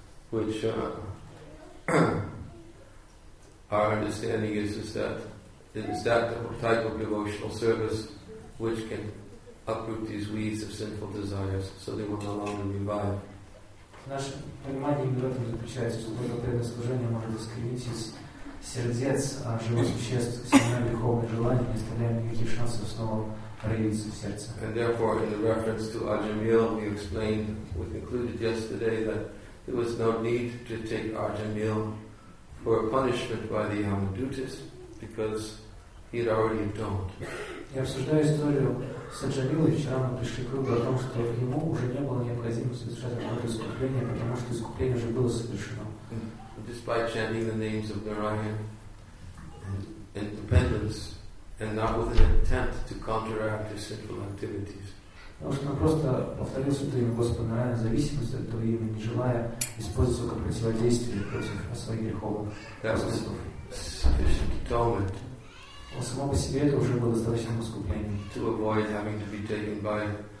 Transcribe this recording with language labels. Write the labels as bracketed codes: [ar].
[en] Which our understanding is that it is that type of devotional service which can uproot these weeds of sinful desires so they will no longer revive. [ru] Наше понимание именно в этом заключается, что только преданное служение может искоренить из сердец живых существ, сильное духовное желание, не оставляя никаких шансов снова проявится в сердце. [en] And therefore, in the reference to Ajameel, we explained, we concluded yesterday that there was no need to take Ajameel for punishment by the Yamadutas because he had already atoned. [ru] Я обсуждаю историю с Аджамилой. Вчера мы пришли к выводу о том, что ему уже не было необходимости совершать какое-то искупление, потому что искупление уже было совершено. [en] Despite chanting the names of Narayan and independence, and not with an attempt to counteract his sinful activities. [ru] Потому что он просто повторил святое имя Господа Нараяна, зависимость от этого имени, не желая использовать его как противодействие против своих греховных поступков. [en] Sufficient atonement. [ru] Он само по себе это уже было достаточным искуплением.